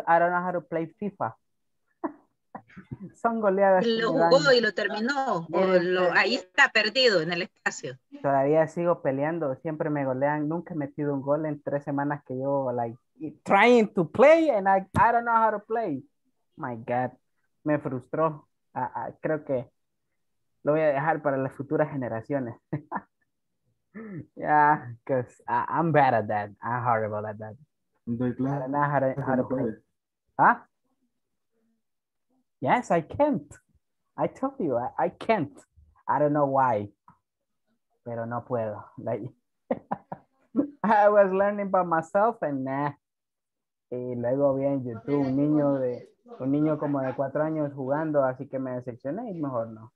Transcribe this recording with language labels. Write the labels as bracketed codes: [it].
[en] I don't know how to play FIFA. [es] Son goleadas. Lo jugó y lo terminó. Ahí está perdido en el espacio. Todavía sigo peleando. Siempre me golean. Nunca he metido un gol en 3 semanas que yo, [en] like, trying to play and I don't know how to play. My God. [es] Me frustró. Creo que lo voy a dejar para las futuras generaciones. [en] Yeah, because I'm bad at that. I'm horrible at that. I don't know how to play. ¿Ah? Yes, I can't. I told you, I can't. I don't know why. [es] Pero no puedo. [en] Like, I was learning by myself and nah. [es] Y luego vi en YouTube un niño como de 4 años jugando, así que me decepcioné y mejor no.